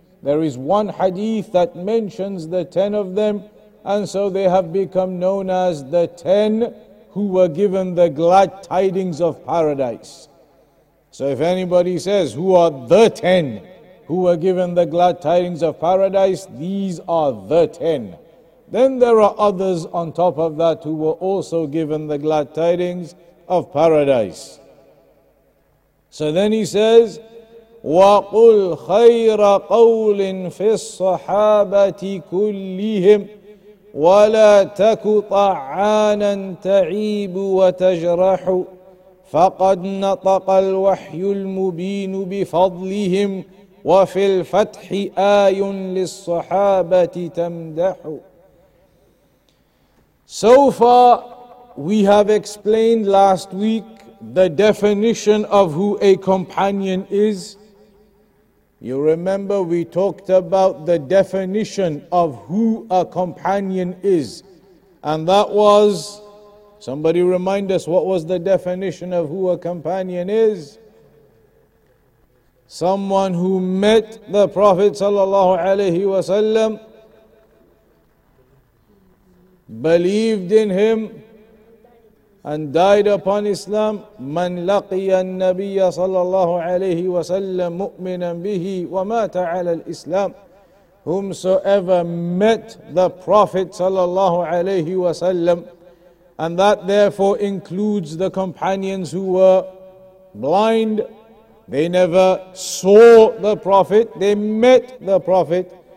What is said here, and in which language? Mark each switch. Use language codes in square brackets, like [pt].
[en] There is one hadith that mentions the 10 of them, and so they have become known as the 10 who were given the glad tidings of paradise. So if anybody says, who are the 10 who were given the glad tidings of paradise, these are the 10. Then there are others on top of that who were also given the glad tidings of paradise. So then he says, [ar] وَقُلْ خَيْرَ قَوْلٍ فِي الصَّحَابَةِ كُلِّهِمْ ولا تك طعانا تعيب وتجرح فقد نطق الوحي المبين بفضلهم وفي الفتح آي للصحابة تمدح. [en] So far we have explained last week the definition of who a companion is. You remember we talked about the definition of who a companion is. And that was, somebody remind us, what was the definition of who a companion is? Someone who met the Prophet sallallahu alayhi wa sallam, believed in him, and died upon Islam. [ar] من لقي النبي صلى الله عليه وسلم مؤمنا به ومات على الإسلام. [en] Whomsoever met the Prophet [ar] صلى الله عليه وسلم, [en] and that therefore includes the companions who were blind. They never saw the Prophet, they met the Prophet.